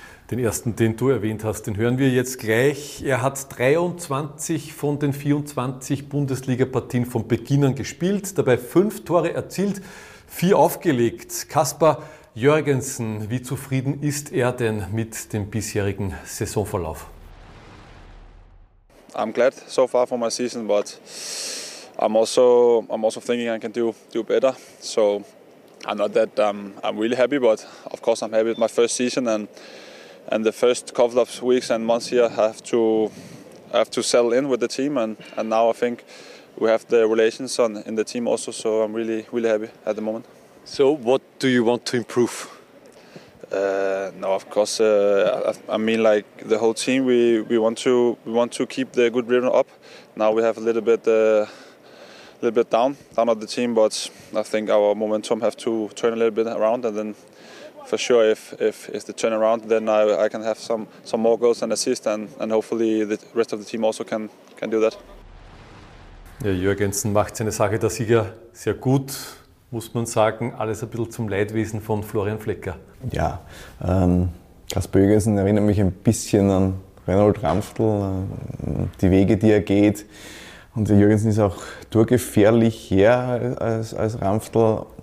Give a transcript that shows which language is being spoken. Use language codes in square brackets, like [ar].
[de] Den ersten, den du erwähnt hast, den hören wir jetzt gleich. Er hat 23 von den 24 Bundesliga-Partien von Beginn an gespielt, dabei 5 Tore erzielt. 4 aufgelegt. Kasper Jürgensen, wie zufrieden ist er denn mit dem bisherigen Saisonverlauf? [en] I'm glad so far for my season, but I'm also thinking I can do better. So I'm not that I'm really happy, but of course I'm happy with my first season and the first couple of weeks and months here I have to settle in with the team and now I think we have the relations on in the team also, so I'm really, really happy at the moment. So what do you want to improve? No, of course, I mean like the whole team, we want to keep the good rhythm up. Now we have a little bit down at the team, but I think our momentum have to turn a little bit around and then for sure if they turn around, then I can have some more goals and assists and hopefully the rest of the team also can do that. [de] Ja, Jürgensen macht seine Sache da sicher sehr gut, muss man sagen. Alles ein bisschen zum Leidwesen von Florian Flecker. Ja, Kasper Jürgensen erinnert mich ein bisschen an Reinhold Ramftl, die Wege, die er geht. Und Jürgensen ist auch torgefährlicher als Ramftl.